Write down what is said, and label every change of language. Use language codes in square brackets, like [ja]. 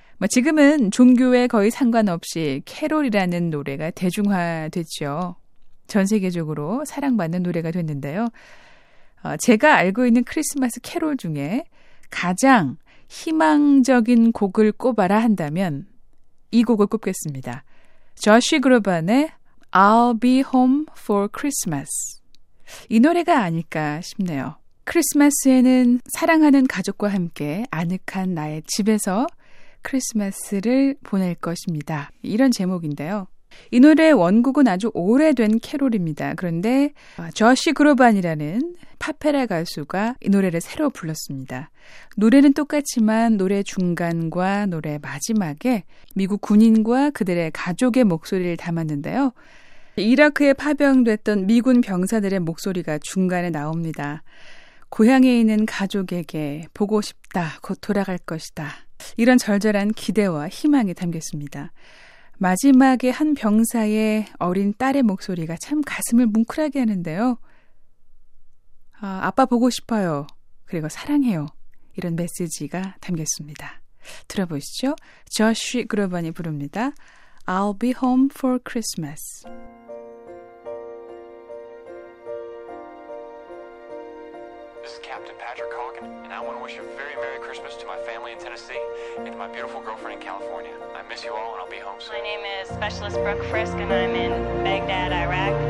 [ko] 지금은 종교에 거의 상관없이 캐롤이라는 노래가 대중화됐죠. 전 세계적으로 사랑받는 노래가 됐는데요. 제가 알고 있는 크리스마스 캐롤 중에 가장 희망적인 곡을 꼽아라 한다면 이 곡을 꼽겠습니다. 조시 그로반의 I'll be home for Christmas. 이 노래가 아닐까 싶네요. 크리스마스에는 사랑하는 가족과 함께 아늑한 나의 집에서 크리스마스를 보낼 것입니다. 이런 제목인데요. 이 노래의 원곡은 아주 오래된 캐롤입니다. 그런데 조시 그로반이라는 파페라 가수가 이 노래를 새로 불렀습니다. 노래는 똑같지만 노래 중간과 노래 마지막에 미국 군인과 그들의 가족의 목소리를 담았는데요. 이라크에 파병됐던 미군 병사들의 목소리가 중간에 나옵니다. 고향에 있는 가족에게 보고 싶다, 곧 돌아갈 것이다. 이런 절절한 기대와 희망이 담겼습니다. 마지막에 한 병사의 어린 딸의 목소리가 참 가슴을 뭉클하게 하는데요. 아빠 보고 싶어요. 그리고 사랑해요. 이런 메시지가 담겼습니다. 들어보시죠. 조시 그로반이 부릅니다. [en] I'll be home for Christmas. This is Captain Patrick Hawken, and I want to wish a very Merry Christmas to my family in Tennessee and to my beautiful girlfriend in California. I miss you all, and I'll be home soon. My name is Specialist Brooke Frisk, and I'm in Baghdad, Iraq.